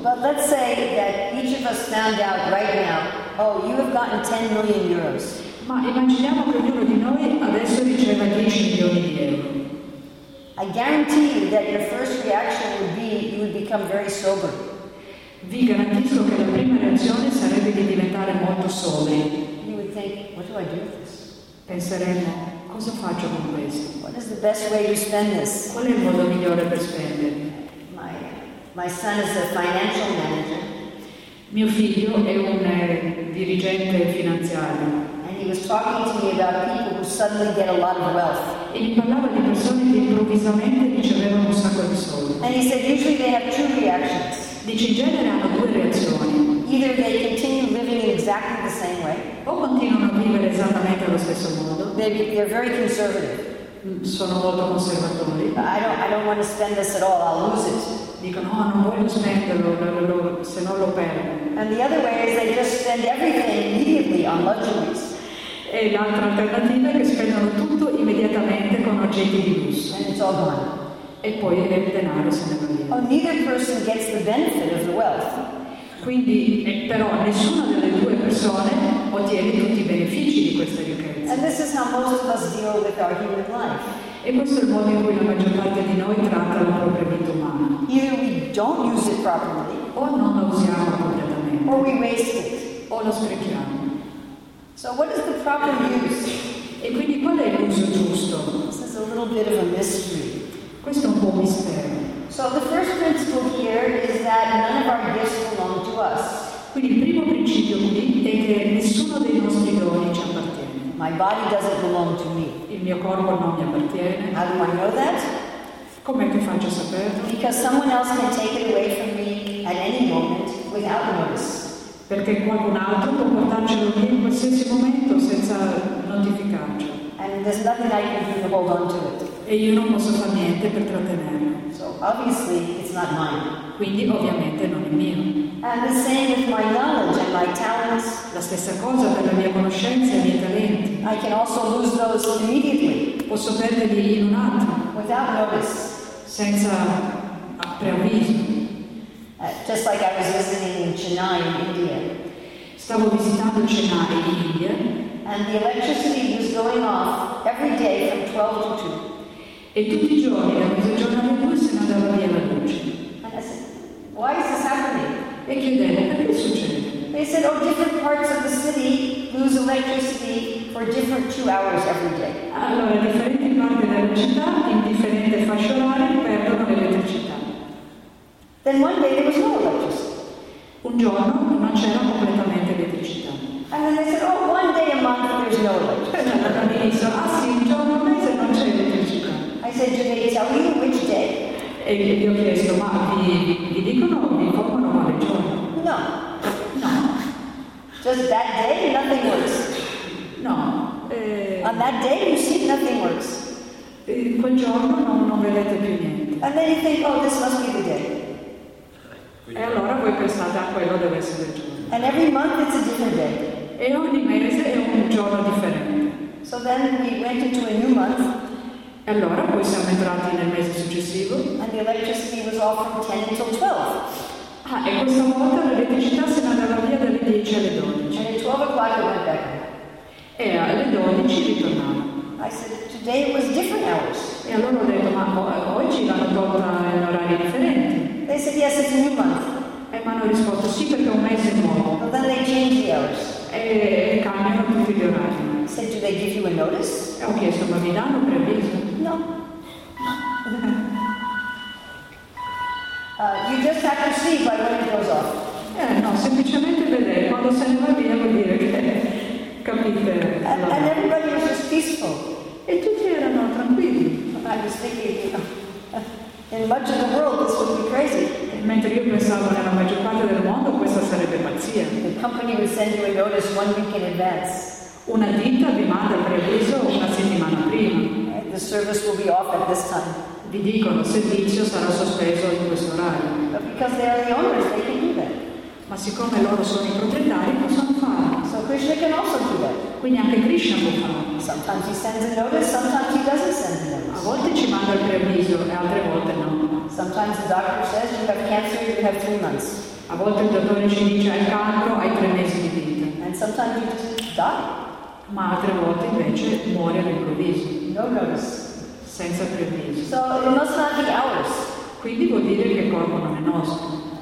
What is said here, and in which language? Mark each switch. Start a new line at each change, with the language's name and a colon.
English: But let's say that each of us found out right now, oh, you have gotten 10 million euros.
Italian: Ma immaginiamo che ognuno di noi adesso riceva 10 milioni di euro.
English: I guarantee you that your first reaction would be you would become very sober.
Italian: Vi garantisco che la prima reazione sarebbe di diventare molto sobri.
English: You would think, what do I do with this?
Italian: Penseremmo, cosa faccio con questo?
English: What is the best way to spend this?
Italian: Qual è il modo migliore per spendere?
English: My son is a financial manager.
Italian: Mio figlio è un dirigente finanziario.
English: And he was talking to me about people who suddenly get a lot of wealth.
Italian: E mi parlava di persone che improvvisamente ricevevano un sacco di soldi.
English: And he said usually they have two reactions.
Italian: Dice in genere hanno due reazioni.
English: Either they continue living in exactly the same way.
Italian: O continuano a vivere esattamente allo stesso modo.
English: Maybe they're very conservative.
Italian: Sono molto conservatori.
English: I don't want to spend this at all. I'll lose it.
Italian: Dicono, oh, non voglio spenderlo, se no lo perdo.
English: And the other way is they just spend everything immediately on luxuries.
Italian: E l'altra alternativa è che spendono tutto immediatamente con oggetti di lusso.
English: And it's all gone.
Italian: E poi il denaro se ne va via.
English: Oh, neither person gets the benefit of the wealth.
Italian: Quindi, però, nessuna delle due persone. persone ottieni tutti i benefici di questa ricchezza.
English: And this is how most of us deal with our human life.
Italian: E questo è il modo in cui la maggior parte di noi tratta la propria vita umana.
English: Either we don't use it properly,
Italian: o non lo usiamo completamente,
English: or we waste it,
Italian: o lo sprechiamo.
English: So what is the proper use?
Italian: E quindi qual è l'uso giusto?
English: This is a little bit of a mystery.
Italian: Questo è un po' mistero.
English: So the first principle here is that none of our gifts belong to us.
Italian: Quindi il primo principio qui è che nessuno dei nostri doni ci appartiene.
English: My body doesn't belong to me.
Italian: Il mio corpo non mi appartiene.
English: How do I know that?
Italian: Come che faccio a saperlo?
English: Because someone else can take it away from me at any moment without notice.
Italian: Perché qualcun altro può portarcelo via in qualsiasi momento senza notificarci.
English: And there's nothing I can do to hold on to it.
Italian: E io non posso fare niente per trattenerlo.
English: So obviously it's not mine.
Italian: Quindi ovviamente non è mio.
English: And the same with my knowledge and my talents.
Italian: La stessa cosa per la mia conoscenza e i miei talenti.
English: I can also lose those immediately.
Italian: Posso perderli in un attimo.
English: Without notice.
Italian: Senza preavviso.
English: Just like I was visiting in Chennai, India.
Italian: Stavo visitando Chennai, in India.
English: And the electricity was going off every day from 12 to 2.
Italian: E tutti i giorni, da questo giorno a due, se ne andava via la luce.
English: Why is this happening?
Italian: E chiedevo, perché succede?
English: They said, oh, different parts of the city lose electricity for different 2 hours every day.
Italian: Allora, differenti parti della città, in differente fasce orarie, perdono l'elettricità.
English: Then one day there was no electricity.
Italian: Un giorno non c'era completamente elettricità.
English: And then they said, oh, one day a month there's no electricity.
Italian: Ah sì, un giorno a mese non c'è elettricità.
English: I said, do they tell you which day?
Italian: E gli ho chiesto, ma vi dicono, vi informano quale giorno?
English: No.
Italian: No.
English: Just that day, nothing works.
Italian: No.
English: On that day, you see, nothing works.
Italian: Quel giorno non vedete più niente.
English: And then you think, oh, this must be the day.
Italian: E allora voi pensate, a quello deve essere il giorno.
English: And every month it's a different day.
Italian: E ogni mese è un giorno differente.
English: So then we went into a new month.
Italian: E allora poi siamo entrati nel mese successivo.
English: And the electricity was off from 10 until 12.
Italian: Ah, e questa volta l'elettricità se ne andava via dalle 10 alle 12.
English: And at 12 o'clock it went back.
Italian: E alle 12 ritornava.
English: I said, today it was different hours.
Italian: E allora ho detto, ma oggi l'hanno tolta in orari differenti.
English: They said, yes, it's a new month.
Italian: E mi hanno risposto, sì, perché è un mese nuovo.
English: But then they changed the hours.
Italian: E cambiano tutti gli orari.
English: Said, do they give you a notice?
Italian: E ho chiesto, ma mi danno un preavviso?
English: No. you just have to see by when it goes off.
Italian: No, semplicemente vedere. Quando se ne va via vuol dire che capite.
English: And everybody was just peaceful.
Italian: E tutti erano tranquilli.
English: I was thinking, you know, in much of the world this would be crazy.
Italian: Mentre io pensavo nella maggior parte del mondo questa sarebbe pazzia.
English: The company would send you a notice 1 week in advance.
Italian: Una ditta vi manda il preavviso una settimana prima.
English: And the service will be off at this time.
Italian: Vi dicono il servizio sarà sospeso in questo orario.
English: But because they are the owners, they can do that.
Italian: Ma siccome loro sono i proprietari possono farlo.
English: So Krishna can also do that.
Italian: Quindi anche Krishna può farlo.
English: Sometimes he sends a notice, sometimes he doesn't send a notice.
Italian: A volte ci manda il preavviso e altre volte no.
English: Sometimes the doctor says you have cancer, you have 3 months.
Italian: A volte il dottore ci dice hai cancro, hai 3 mesi di vita.
English: And sometimes you just die.
Italian: Ma altre volte invece muore all'improvviso.
English: No notice.
Italian: Senza preavviso.
English: So it must not be ours.
Italian: Quindi vuol dire che il corpo non è nostro.